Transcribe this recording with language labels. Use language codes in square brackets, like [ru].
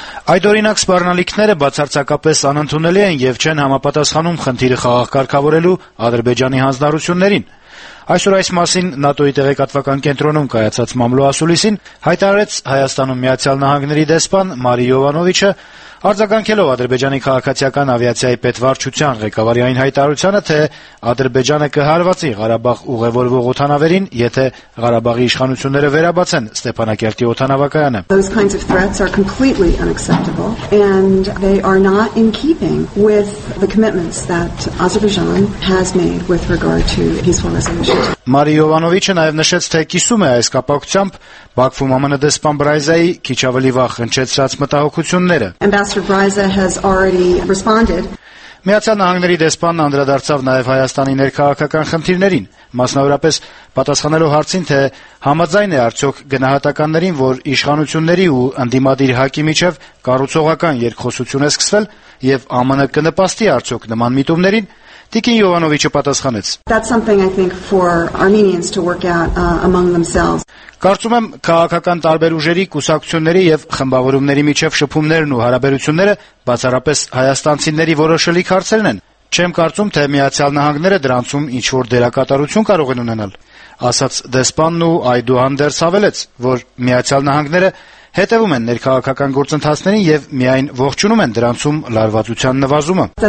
[hy] Այդ օրինակ սպառնալիքները բացարձակապես անընդունելի են եւ չեն համապատասխանում խնդիրը խաղաղ կարգավորելու Ադրբեջանի հանձնարարություններին։ Այսօր այս մասին ՆԱՏՕ-ի տեղեկատվական կենտրոնում կայացած մամլոասուլիսին հայտարարեց Հայաստանում Միացյալ Նահանգների դեսպան Մարի Յովանովիչը, արձագանքելով Ադրբեջանի քաղաքացիական ավիացիայի պետվարչության ղեկավարի այն հայտարարությունը, թե Ադրբեջանը կհարվածի Ղարաբաղ ուղևորվող օթանավերին, եթե Ղարաբաղի իշխանությունները վերաբացեն Ստեփանակերտի օթանավակայանը։ [en] Those kinds of threats are completely unacceptable and they are not in keeping with the commitments that Azerbaijan has made with regard to peaceful resolution. [hy] Մարի Յովանովիչը նաև նշեց, թե կիսում է այս կապակցությամբ Բաքվում ԱՄՆ դեսպան Բրայզայի քիչ ավելի վաղ հնչեցրած մտահոգությունները։ [en] Ambassador Braza has already responded. [hy] Միացյալ Նահանգների դեսպանն անդրադարձավ նաև Հայաստանի ներքաղաքական խնդիրներին, մասնավորապես պատասխանելու հարցին, թե համաձայն է արդյոք գնահատականներին, որ իշխանությունների ու ընդդիմադիր ՀԱԿ-ի միջև կառուցողական երկխոսություն է սկսվել եւ ԱՄՆ կնպաստի արդյոք նման միտումներին։ Տիկին Յովանովիչը պատասխանեց. [en] That's something I think for Armenians to work out among themselves. [hy] Կարծում եմ, քաղաքական տարբեր ուժերի կուսակցությունների եւ խմբավորումների միջև շփումներն ու հարաբերությունները բացառապես հայաստանցիների որոշելի հարցերն են։ Չեմ կարծում, թե Միացյալ Նահանգները դրանցում ինչ-որ դերակատարություն կարող են ունենալ, ասաց դեսպանն ու Այդու Հանդերս ավելեց, որ Միացյալ Նահանգները հետևում են ներքաղաքական գործընթացներին եւ միայն ողջունում են դրանցում լարվածության նվազումը։